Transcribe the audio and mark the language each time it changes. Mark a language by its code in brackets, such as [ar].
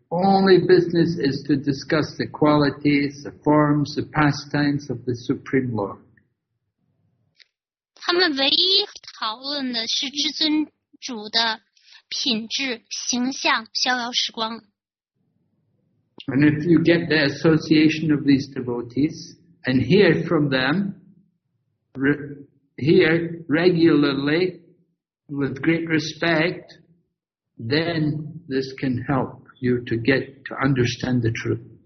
[en] only business is to discuss the qualities, the forms, the pastimes of the Supreme Lord. [zh] 他们唯一讨论的是至尊主的 品质、形象、逍遥时光。 [en] And if you get the association of these devotees and hear from them, hear regularly with great respect, then this can help you to get to understand the truth.